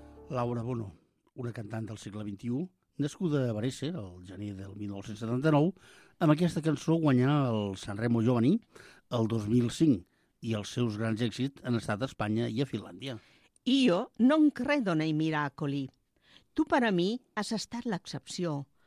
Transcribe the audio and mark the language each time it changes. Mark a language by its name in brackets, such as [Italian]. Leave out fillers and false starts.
[Catalan] Laura Bono, una cantant del segle XXI, nascuda a Varese el gener del 1979, amb aquesta cançó guanyà el Sanremo Giovani el 2005 i els seus grans èxits han estat a Espanya i a Finlàndia. [Italian] Io non credo nei miracoli. [Catalan] Tu per a mi has estat l'excepció.